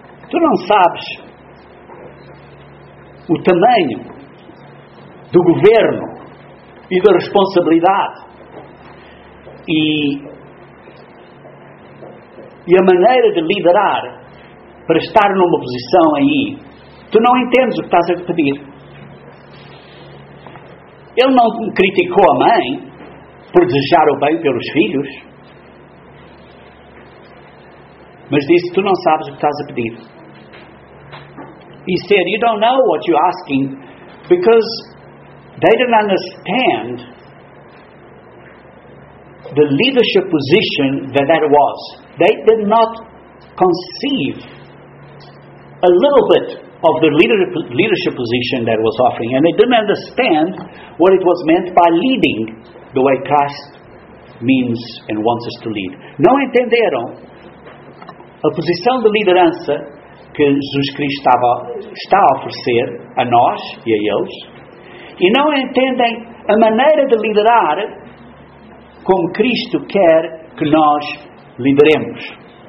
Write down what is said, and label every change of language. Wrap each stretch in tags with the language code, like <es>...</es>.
<pt>Tu não sabes o tamanho do governo e da responsabilidade e a maneira de liderar para estar numa posição aí. Tu não entendes o que estás a pedir. Ele não criticou a mãe por desejar o bem pelos filhos, mas disse: tu não sabes o que estás a pedir.</pt> <en>He said, you don't know what you're asking because they didn't understand the leadership position that that was. They did not conceive a little bit of the leadership position that was offering, and they didn't understand what it was meant by leading the way Christ means and wants us to lead.</en> <pt>Não entenderam a posição de liderança que Jesus Cristo está a oferecer a nós e a eles, e não entendem a maneira de liderar como Cristo quer que nós lideremos.</pt>